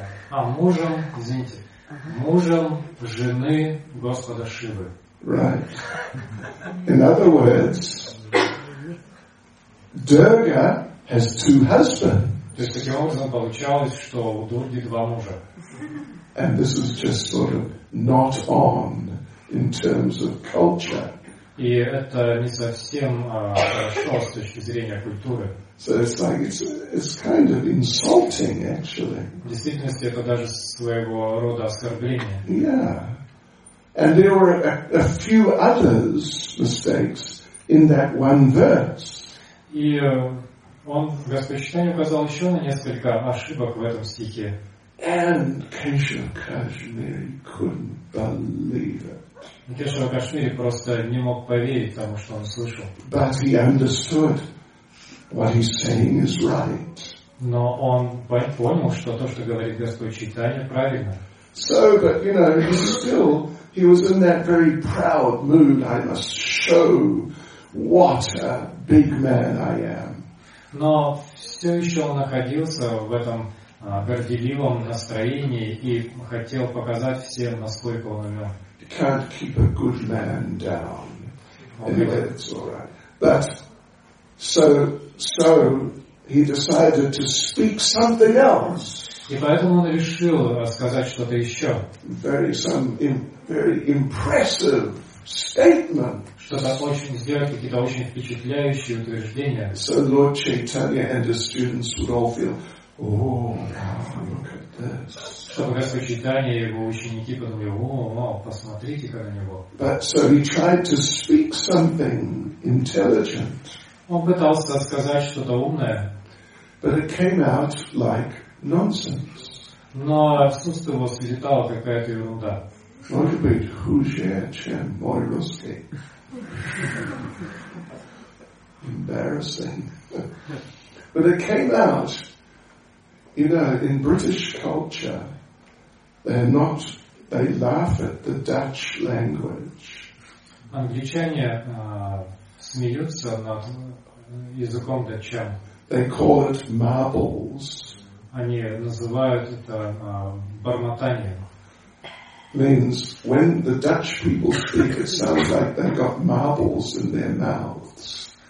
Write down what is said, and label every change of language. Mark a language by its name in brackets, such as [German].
[Russian] Мужем, извините, мужем жены Господа Шивы. [English] Right. In other words, Durga has two husbands. [Russian] То есть таким образом получалось, что у Дурги два мужа. [English] And this is just sort of not on in terms of culture. [Russian] И это не совсем хорошо с точки зрения культуры. [English] So it's like it's kind of insulting, actually. [Russian] В действительности это даже своего рода оскорбление. [English] Yeah. And there were a few other mistakes in that one verse. [Russian] И он, Господь Чайтанья, указал еще на несколько ошибок в этом стихе. [English] And Keshav Kashmiri couldn't believe it. [Russian] Кешава Кашмири просто не мог поверить тому, что он слышал. [English] But he understood what he's saying is right. [Russian] Но он понял, что то, что говорит Господь Чайтанья, правильно. [English] So, but you know, he was in that very proud mood. I must show what a big man I am. [Russian] Но все еще он находился в этом горделивом настроении и хотел показать всем, насколько он умен. [English] Can't keep a good man down. Anyway, it's all right. But so he decided to speak something else. [Russian] И поэтому он решил сказать что-то еще. [English] Very impressive statement. [Russian] Что-то очень сделать, какие-то очень впечатляющие утверждения. [English] So Lord Chaitanya and his students would all feel, oh, look at this. [Russian] Чтобы Господь Чайтанья и его ученики подумали, о, посмотрите как на него. [English] But so he tried to speak something intelligent. [Russian] Он пытался сказать что-то умное. [English] But it came out like nonsense. [Russian] Но в сусте его слетала какая-то ерунда. Может быть, хуже, чем мой русский. [English] Embarrassing. But it came out, you know, in British culture, they laugh at the Dutch language. [Russian] Англичане смеются над языком датчан. [English] They call it marbles. [Russian] Они называют это бормотанием. [English] Means when the Dutch people speak, it sounds like they've got marbles in their mouths.